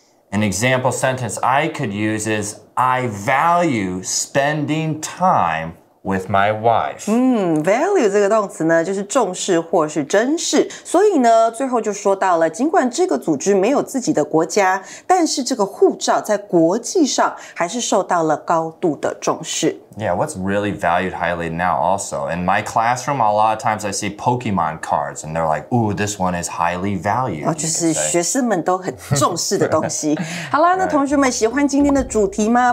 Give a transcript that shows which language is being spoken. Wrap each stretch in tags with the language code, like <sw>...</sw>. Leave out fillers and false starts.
<en>An example sentence I could use is, I value spending time with my wife.</en> <zh>Value 这个动词呢就是重视或是珍视。所以呢最后就说到了尽管这个组织没有自己的国家但是这个护照在国际上还是受到了高度的重视。</zh> <en>Yeah, what's really valued highly now also? In my classroom, a lot of times I see Pokemon cards and they're like, ooh, this one is highly valued.</en> <zh>就是学生们都很重视的东西。好啦，那同学们喜欢今天的主题吗？</zh>